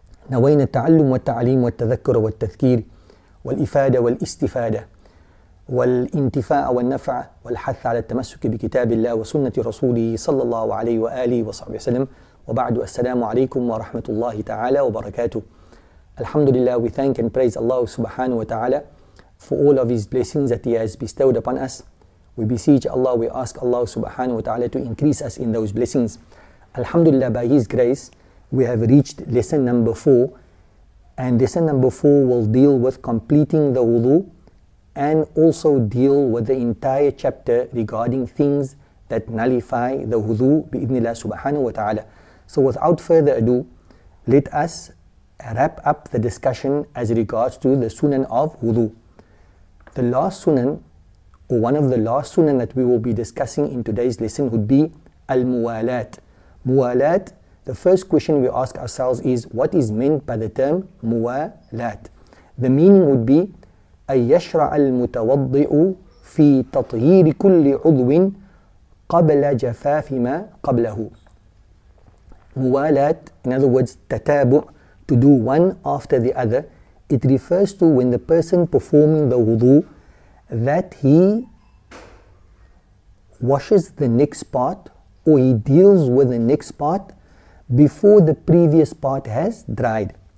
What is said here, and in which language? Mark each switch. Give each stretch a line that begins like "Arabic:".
Arabic: نوينا التعلم والتعليم والتذكر والتذكير والإفادة والاستفادة والانتفاع والنفع والحث على التمسك بكتاب الله وسنة رسوله صلى الله عليه وآله وصحبه وسلم. وبعد، السلام عليكم ورحمة الله تعالى وبركاته. الحمد لله،
English: we thank and praise Allah
Arabic: سبحانه وتعالى
English: for all of his blessings that he has bestowed upon us. We beseech Allah, we ask Allah subhanahu wa ta'ala to increase us in those blessings. Alhamdulillah, by His grace, we have reached lesson number 4. And lesson number 4 will deal with completing the wudu and also deal with the entire chapter regarding things that nullify the wudu bi'idhnillah subhanahu wa ta'ala. So without further ado, let us wrap up the discussion as regards to the sunan of wudu. The last sunan, or one of the last sunan that we will be discussing in today's lesson, would be al-muwalat. Muwalat, the first question we ask ourselves is, what is meant by the term muwalat? The meaning would be,
Arabic: أَيَّشْرَعَ الْمُتَوَضِّئُ فِي تَطْهِيرِ كُلِّ عُضْوٍ قَبْلَ جَفَافِ مَا قَبْلَهُ.
English: Muwalat, in other words, تَتَابُعُ, to do one after the other. It refers to when the person performing the wudu, that he washes the next part, or he deals with the next part before the previous part has dried.